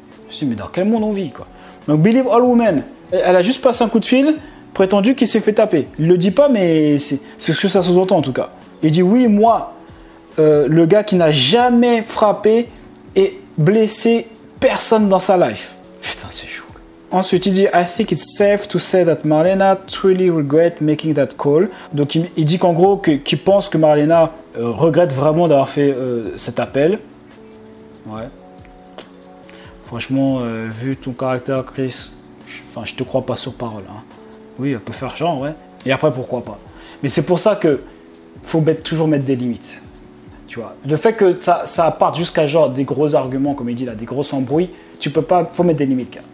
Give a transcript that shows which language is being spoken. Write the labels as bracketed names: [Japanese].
[French] Je me suis dit, mais dans quel monde on vit, quoi? Donc, [English] believe all women. [French] Elle a juste passé un coup de fil, prétendu qu'il s'est fait taper. Il le dit pas, mais c'est ce que ça sous-entend en tout cas. Il dit, oui, moi, le gars qui n'a jamais frappé et blessé personne dans sa life. Putain, c'est chaud. Ensuite, il dit, [English] I think it's safe to say that Marlena truly regrets making that call. [French] Donc, il dit qu'en gros, qu'il pense que Marlena regrette vraiment d'avoir fait cet appel. Ouais. Franchement, vu ton caractère, Chris, je te crois pas sur parole. Hein. Oui, elle peut faire genre, ouais. Et après, pourquoi pas. Mais c'est pour ça que faut toujours mettre des limites. Tu vois, le fait que ça parte jusqu'à genre des gros arguments, comme il dit là, des gros embrouilles, tu peux pas, faut mettre des limites, gars.